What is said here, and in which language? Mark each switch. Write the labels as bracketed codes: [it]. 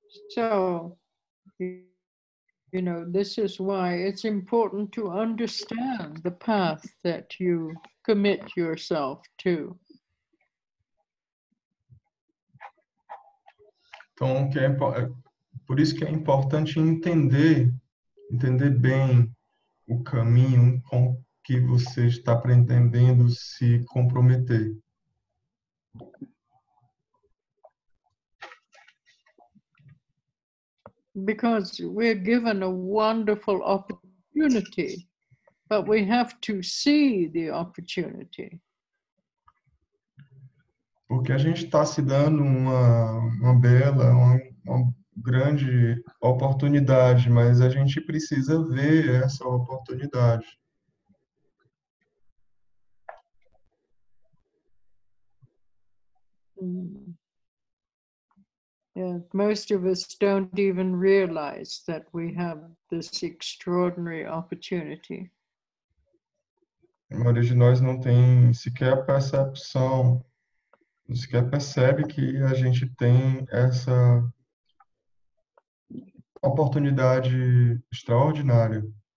[en] So, you know, this is why it's important to understand the path that you commit yourself to. [pt] Então, por isso que é importante entender bem o caminho com que você está pretendendo se comprometer. [en] Because we're given a wonderful opportunity, but we have to see the opportunity. [pt] Porque a gente está se dando uma bela, uma grande oportunidade, mas a gente precisa ver essa oportunidade. [en] Yeah, most of us don't even realize that we have this extraordinary opportunity. [pt] A maioria de nós não tem sequer percepção. Você quer percebe que a gente tem essa oportunidade extraordinária.